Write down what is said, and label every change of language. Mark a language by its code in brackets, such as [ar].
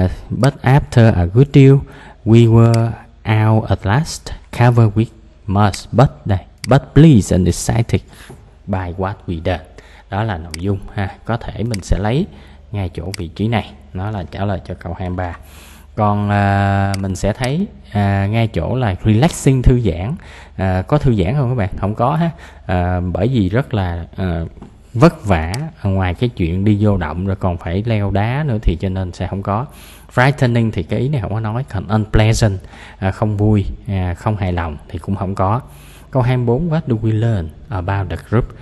[en] But after a good deal, we were out at last, covered with mud, but pleased and excited by what we did. [vi] Đó là nội dung ha. Có thể mình sẽ lấy ngay chỗ vị trí này, nó là trả lời cho câu 23. Còn mình sẽ thấy ngay chỗ là relaxing, thư giãn. Có thư giãn không các bạn? Không có ha. Bởi vì rất là vất vả, ngoài cái chuyện đi vô động rồi còn phải leo đá nữa thì cho nên sẽ không có. Frightening thì cái ý này không có nói, còn unpleasant, không vui, không hài lòng thì cũng không có. [en] Câu 24, what do we learn about the group?